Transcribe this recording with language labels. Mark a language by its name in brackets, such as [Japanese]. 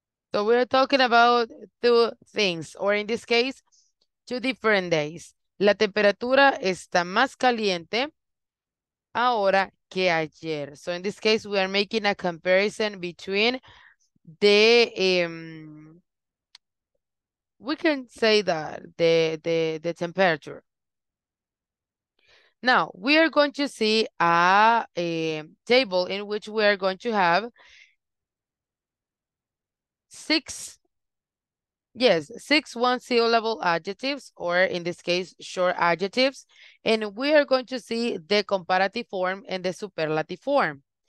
[English] So we're talking about two things, or in this case, two different days. [Spanish] La temperatura está más caliente ahora que ayer. [English] So in this case, we are making a comparison between the, we can say that, the temperature. Now, we are going to see a table in which we are going to have six one syllable adjectives, or in this case short adjectives, and we are going to see the comparative form and the superlative form.